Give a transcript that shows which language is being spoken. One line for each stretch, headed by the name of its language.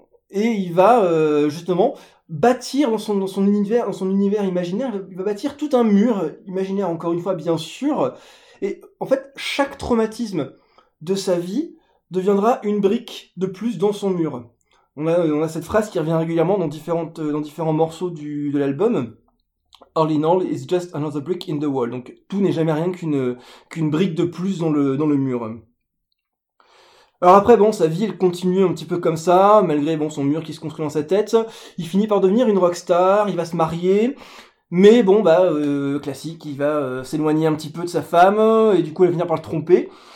French: Et il va justement bâtir dans son univers imaginaire, il va bâtir tout un mur imaginaire, encore une fois bien sûr. Et en fait, chaque traumatisme de sa vie deviendra une brique de plus dans son mur. On a cette phrase qui revient régulièrement dans différents morceaux de l'album.
English: All in all, it's just another brick in the wall.
French: Donc, tout n'est jamais rien qu'une brique de plus dans le mur. Alors après, bon, sa vie, elle continue un petit peu comme ça, malgré, bon, son mur qui se construit dans sa tête. Il finit par devenir une rockstar, il va se marier, mais bon, classique, il va s'éloigner un petit peu de sa femme, et du coup, elle va finir par le tromper.